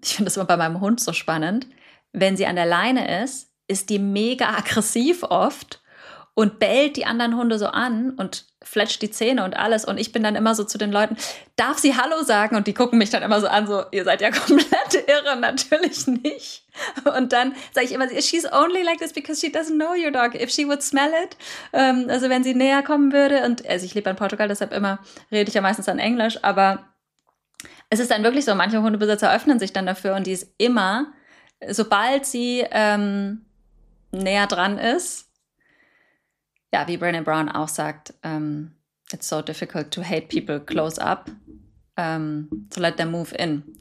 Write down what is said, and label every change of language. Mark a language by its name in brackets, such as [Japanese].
[German] Ich finde das immer bei meinem Hund so spannend. Wenn sie an der Leine ist, ist die mega aggressiv oft und bellt die anderen Hunde so an und fletscht die Zähne und alles. Und ich bin dann immer so zu den Leuten, darf sie Hallo sagen? Und die gucken mich dann immer so an, so, ihr seid ja komplett irre, natürlich nicht. Und dann sage ich immer, [English] she's only like this because she doesn't know your dog. If she would smell it, also wenn sie näher kommen würde. [German] Und also ich lebe in Portugal, deshalb immer rede ich ja meistens dann Englisch. Aber es ist dann wirklich so, manche Hundebesitzer öffnen sich dann dafür und die ist immer, sobald sie näher dran ist, ja, wie Brené Brown auch sagt, [English] it's so difficult to hate people close up, to let them move in.